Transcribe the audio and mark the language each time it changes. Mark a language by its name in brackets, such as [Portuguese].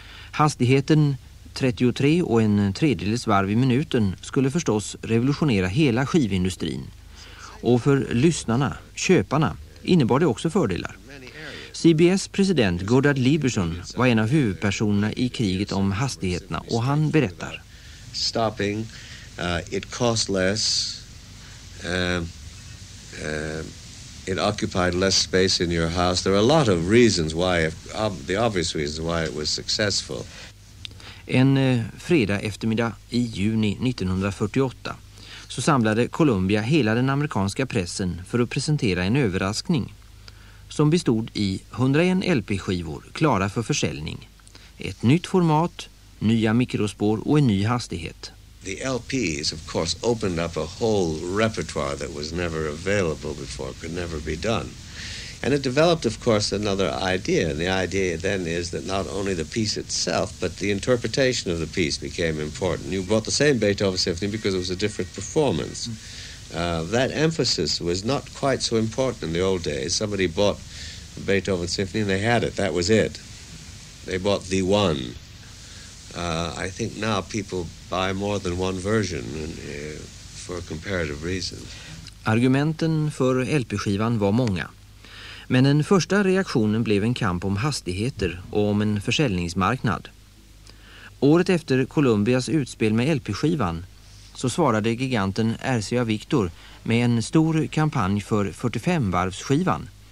[Swedish] Hastigheten 33 och en tredjedels varv i minuten skulle förstås revolutionera hela skivindustrin. Och för lyssnarna, köparna, innebar det också fördelar. CBS president Goddard Lieberson var en av huvudpersonerna i kriget om hastigheterna och han berättar. [English] Stopping. It cost less, it occupied less space in your house. There are a lot of reasons why, the obvious reasons why it was successful. [Swedish] En fredag eftermiddag i juni 1948 så samlade Columbia hela den amerikanska pressen för att presentera en överraskning som bestod i 101 LP-skivor klara för försäljning, ett nytt format, nya mikrospår och en ny hastighet. [English] The LPs, of course, opened up a whole repertoire that was never available before, could never be done. And it developed, of course, another idea. And the idea then is that not only the piece itself, but the interpretation of the piece became important. You brought the same Beethoven symphony because it was a different performance. That emphasis was not quite so important in the old days. Somebody bought a Beethoven symphony and they had it. That was it. They bought the one. I think now people buy more than one version for comparative reasons. [Swedish] Argumenten för LP-skivan var många. Men den första reaktionen blev en kamp om hastigheter och om en försäljningsmarknad. Året efter Columbias utspel med LP-skivan så svarade giganten RCA Victor med en stor kampanj för 45-varvsskivan.